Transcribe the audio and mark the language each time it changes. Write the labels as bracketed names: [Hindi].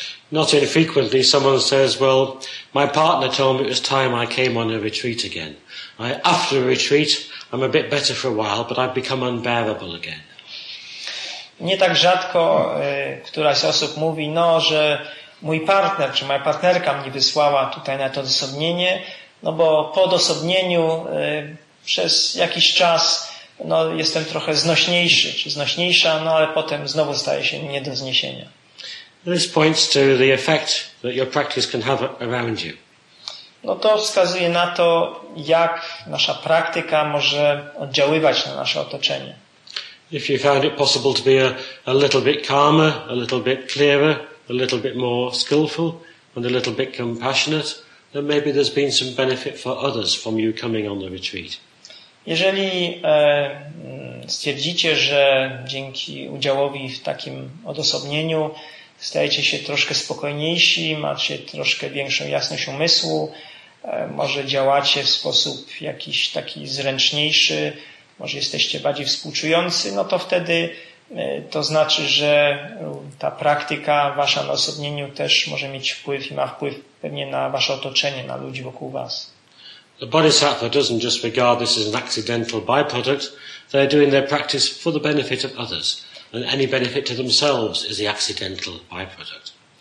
[English] Not infrequently someone says, well, my partner told me it was time I came on a retreat again. After a retreat, I'm a bit better for a while, but I've become unbearable again. [Polish] Nie tak rzadko któraś z osób mówi, no, że mój partner czy moja partnerka mnie wysłała tutaj na to odosobnienie, no bo po odosobnieniu przez jakiś czas no, jestem trochę znośniejszy czy znośniejsza, no ale potem znowu staje się nie do zniesienia. [English] This points to the effect that your practice can have around you. [Polish] No to wskazuje na to, jak nasza praktyka może oddziaływać na nasze otoczenie. [English] If you found it possible to be a little bit calmer, a little bit clearer, a little bit more skillful and a little bit compassionate, then maybe there's been some benefit for others from you coming on the retreat. [Polish] Jeżeli stwierdzicie, że dzięki udziałowi w takim odosobnieniu stajecie się troszkę spokojniejsi, macie troszkę większą jasność umysłu, może działacie w sposób jakiś taki zręczniejszy, może jesteście bardziej współczujący, no to wtedy to znaczy, że ta praktyka wasza na odosobnieniu też może mieć wpływ i ma wpływ pewnie na wasze otoczenie, na ludzi wokół was. [English] The Bodhisattva doesn't just regard this as an accidental byproduct. They're doing their practice for the benefit of others. And any benefit to themselves is the accidental byproduct.